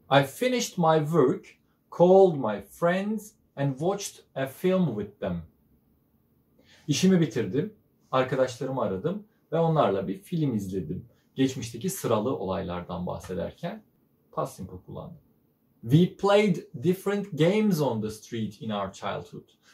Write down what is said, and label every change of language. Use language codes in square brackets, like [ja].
[en] I finished my work, called my friends and watched a film with them. [tr] İşimi bitirdim, arkadaşlarımı aradım ve onlarla bir film izledim. Geçmişteki sıralı olaylardan bahsederken past simple kullandım. [en] We played different games on the street in our childhood.